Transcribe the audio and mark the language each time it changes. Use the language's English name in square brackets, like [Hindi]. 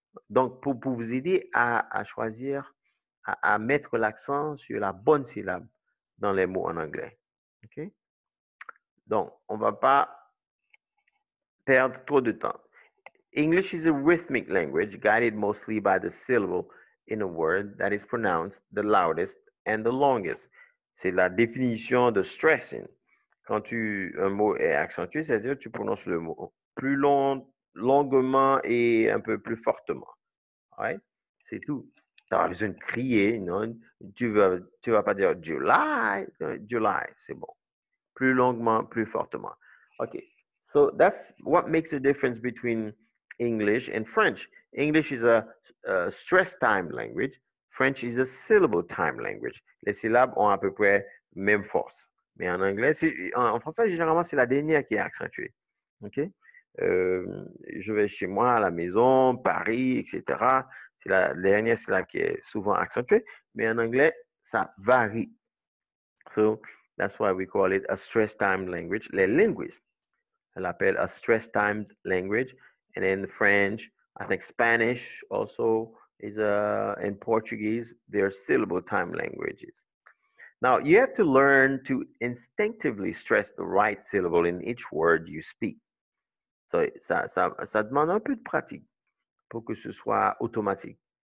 [French] Donc, pour vous aider à choisir, à mettre l'accent sur la bonne syllabe dans les mots en anglais. Okay? Donc, on ne va pas perdre trop de temps. [English] English is a rhythmic language guided mostly by the syllable in a word that is pronounced the loudest and the longest. [French] C'est la définition de stressing. Quand un mot est accentué, c'est-à-dire que tu prononces le mot plus longuement et un peu plus fortement. [English] All right? [French] C'est tout. Tu as besoin de crier, non? Tu vas pas dire July, c'est bon. Plus longuement, plus fortement. OK. [English] So that's what makes a difference between English and French. English is a stress time language. French is a syllable time language. [French] Les syllabes ont à peu près même force. Mais en anglais, en français, généralement, c'est la dernière qui est accentuée. Okay? Je vais chez moi, à la maison, Paris, etc. C'est la dernière syllabe qui est souvent accentuée. Mais en anglais, ça varie. [English] So that's why we call it a stress time language. [French] Les linguistes l'appellent [English] a stress time language. And then French, I think Spanish also is and Portuguese, they're syllable time languages. Now, you have to learn to instinctively stress the right syllable in each word you speak. [French] So, ça demande un peu de pratique pour que ce soit automatique.